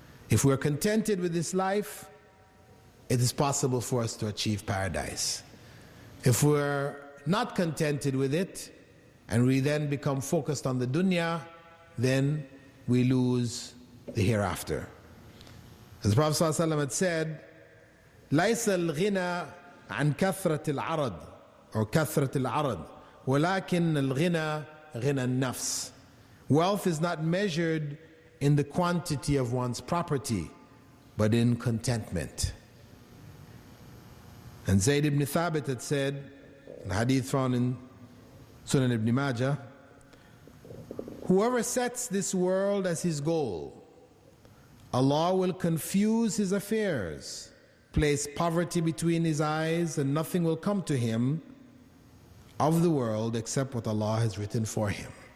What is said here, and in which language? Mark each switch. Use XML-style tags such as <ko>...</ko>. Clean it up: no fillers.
<en>If we're contented with this life, it is possible for us to achieve paradise. If we're not contented with it, and we then become focused on the dunya, then we lose the hereafter. As the Prophet ﷺ had said,</en> <ar>لَيْسَ الْغِنَى عَنْ كَثْرَةِ الْعَرَضِ or كَثْرَةِ الْعَرَضِ وَلَكِنَّ الْغِنَى غِنَى النَّفْسِ.</ar> <en>Wealth is not measured in the quantity of one's property, but in contentment. And Zayd ibn Thabit had said, in hadith found in Sunan ibn Majah, whoever sets this world as his goal, Allah will confuse his affairs, place poverty between his eyes, and nothing will come to him of the world except what Allah has written for him.</en>